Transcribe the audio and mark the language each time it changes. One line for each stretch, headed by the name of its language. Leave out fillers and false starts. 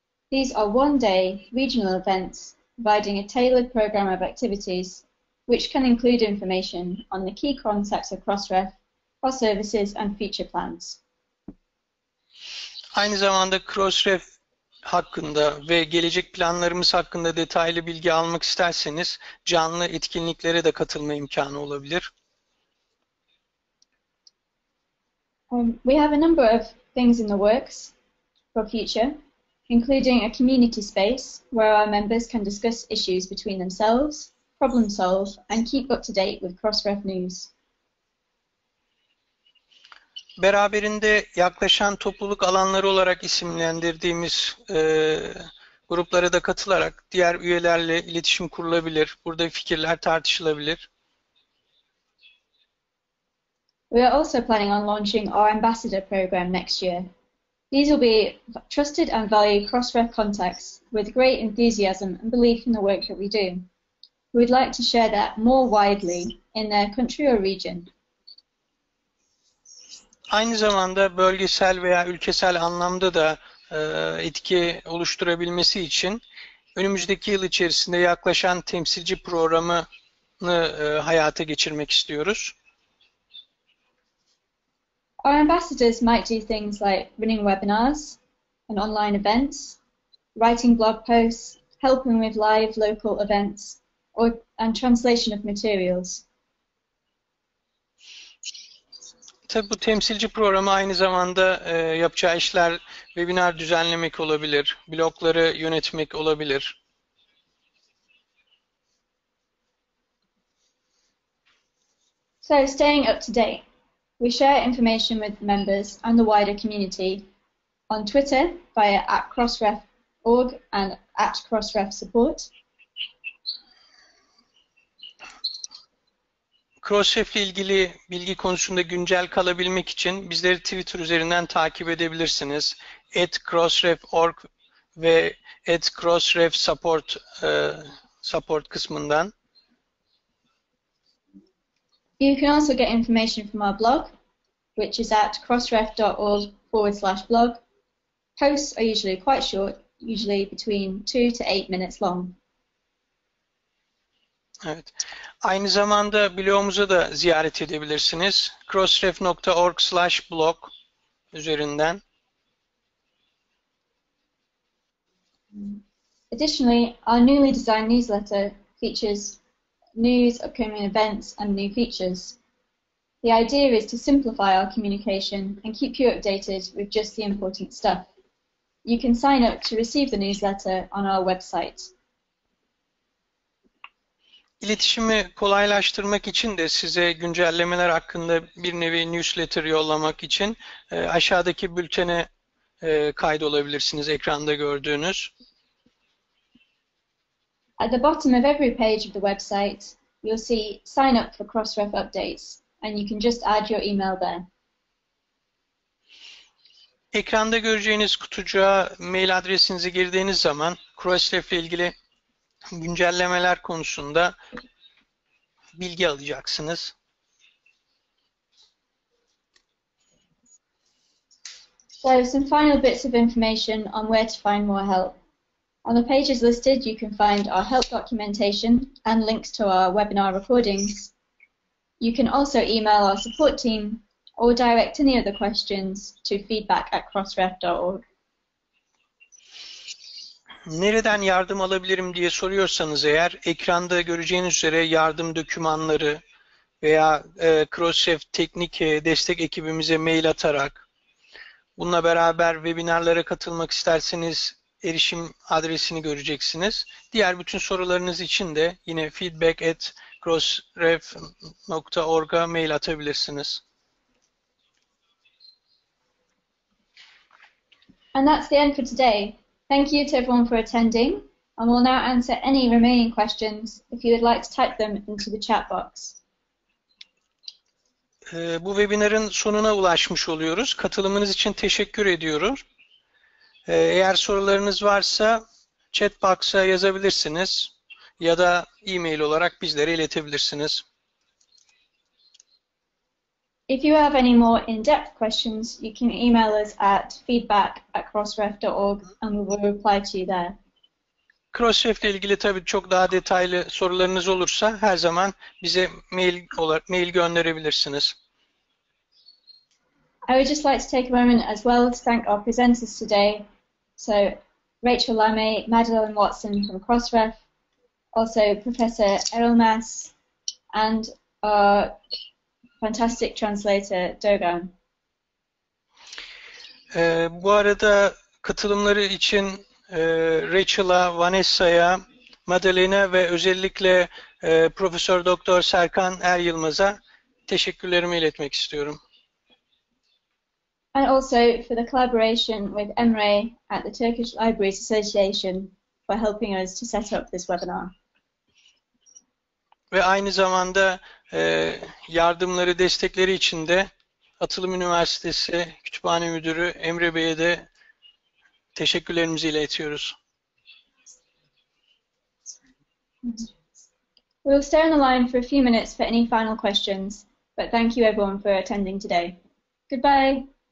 English: These are one-day regional events providing a tailored program of activities which can include information on the key concepts of Crossref, our services and future plans.
Turkish: Aynı zamanda Crossref hakkında ve gelecek planlarımız hakkında detaylı bilgi almak isterseniz canlı etkinliklere de katılma imkanı olabilir.
English: We have a number of things in the works for future, including a community space where our members can discuss issues between themselves, problem solve, and keep up to date with Crossref news.
Turkish: Beraberinde yaklaşan topluluk alanları olarak isimlendirdiğimiz gruplara da katılarak diğer üyelerle iletişim kurulabilir. Burada fikirler tartışılabilir.
English: We are also planning on launching our ambassador program next year. These will be trusted and valued Crossref contacts with great enthusiasm and belief in the work that we do. We would like to share that more widely in their country or region.
Turkish: Aynı zamanda bölgesel veya ülkesel anlamda da etki oluşturabilmesi için önümüzdeki yıl içerisinde yaklaşan temsilci programını hayata geçirmek istiyoruz.
English: Our ambassadors might do things like running webinars and online events, writing blog posts, helping with live local events, and translation of materials.
Turkish: Tabi bu temsilci programı aynı zamanda yapacağı işler webinar düzenlemek olabilir, blogları yönetmek olabilir.
English: So staying up to date, we share information with members and the wider community on Twitter via @crossref.org and @crossref.support.
Turkish: Crossref ile ilgili bilgi konusunda güncel kalabilmek için bizleri Twitter üzerinden takip edebilirsiniz. @crossref.org ve @crossref.support support kısmından.
English: You can also get information from our blog, which is @crossref.org/blog. Posts are usually quite short, usually between 2 to 8 minutes long.
Turkish: Evet. Aynı zamanda blogumuzu da ziyaret edebilirsiniz. crossref.org/blog üzerinden.
English: Additionally, our newly designed newsletter features news, upcoming events and new features. The idea is to simplify our communication and keep you updated with just the important stuff. You can sign up to receive the newsletter on our website.
Turkish: İletişimi kolaylaştırmak için de size güncellemeler hakkında bir nevi newsletter yollamak için aşağıdaki bültene kaydolabilirsiniz ekranda gördüğünüz.
English: At the bottom of every page of the website, you'll see sign up for Crossref updates and you can just add your email there.
Turkish: Ekranda göreceğiniz kutucuğa mail adresinizi girdiğiniz zaman Crossref ile ilgili güncellemeler konusunda bilgi alacaksınız.
English: So some final bits of information on where to find more help. On the pages listed, you can find our help documentation and links to our webinar recordings. You can also email our support team or direct any of the questions to feedback@crossref.org.
Turkish: Nereden yardım alabilirim diye soruyorsanız eğer ekranda göreceğiniz üzere yardım dokümanları veya Crossref teknik destek ekibimize mail atarak bununla beraber webinarlara katılmak isterseniz erişim adresini göreceksiniz. Diğer bütün sorularınız için de yine feedback@crossref.org'a mail atabilirsiniz.
English: And that's the end for today. Thank you to everyone for attending, and we'll now answer any remaining questions if you would like to type them into the chat box.
Turkish: bu webinarın sonuna ulaşmış oluyoruz. Katılımınız için teşekkür ediyorum. Eğer sorularınız varsa chat box'a yazabilirsiniz ya da e-mail olarak bizlere iletebilirsiniz.
English: If you have any more in-depth questions, you can email us at feedback@crossref.org and we will reply to you there.
Turkish: Crossref ile ilgili tabii çok daha detaylı sorularınız olursa her zaman bize mail gönderebilirsiniz.
English: I would just like to take a moment as well to thank our presenters today. So Rachel Lamy, Madeline Watson from Crossref, also Professor Errol Mass, and our fantastic translator Dogan.
Turkish: Bu arada katılımları için Rachel'a, Vanessa'ya, Madeline'e ve özellikle Profesör Doktor Serkan Er Yılmaz'a teşekkürlerimi iletmek istiyorum.
English: And also for the collaboration with Emre at the Turkish Libraries Association for helping us to set up this webinar.
Turkish: Ve aynı zamanda yardımları, destekleri için de Atılım Üniversitesi Kütüphane Müdürü Emre Bey'e de teşekkürlerimizi iletiyoruz.
English: We'll stay on the line for a few minutes for any final questions, but thank you everyone for attending today. Goodbye.